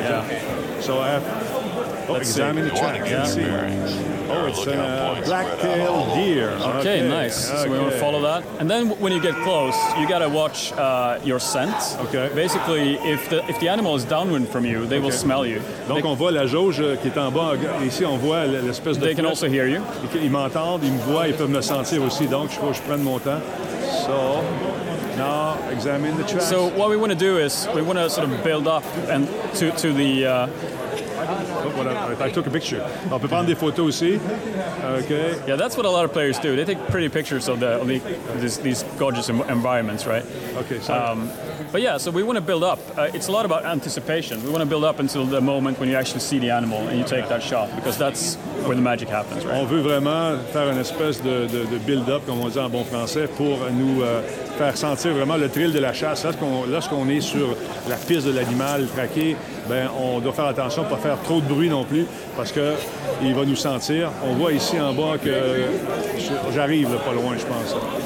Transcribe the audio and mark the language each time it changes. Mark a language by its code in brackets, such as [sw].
[en] Yeah. So I have Let's examine see. The track. Yeah. See. Oh, it's a black-tailed deer. Okay, nice. Okay. So we want to follow that. And then when you get close, you got to watch your scent. Okay. Basically, if the animal is downwind from you, they okay. will smell you. [fr] Donc, on voit la jauge qui est en bas. Ici, on voit l'espèce de... [en] They can also hear you. [fr] Ils m'entendent, ils me voient, ils peuvent me sentir aussi. Donc, je crois que je prenne mon temps. [en] So... Now examine the tracks. So what we want to do is we want to sort of build up and to the I took a picture. [fr] On peut prendre des photos aussi. Okay. [en] Yeah, that's what a lot of players do. They take pretty pictures of these gorgeous environments, right? Okay. But yeah, so we want to build up. It's a lot about anticipation. We want to build up until the moment when you actually see the animal and you take that shot, because that's where the magic happens, right? [fr] On veut vraiment faire une espèce de build-up, comme on dit en bon français, pour nous faire sentir vraiment le thrill de la chasse. Lorsqu'on est sur la piste de l'animal traqué, ben on doit faire attention pas faire trop de bruit non plus, parce qu'il va nous sentir. On voit ici en bas que j'arrive là, pas loin, je pense.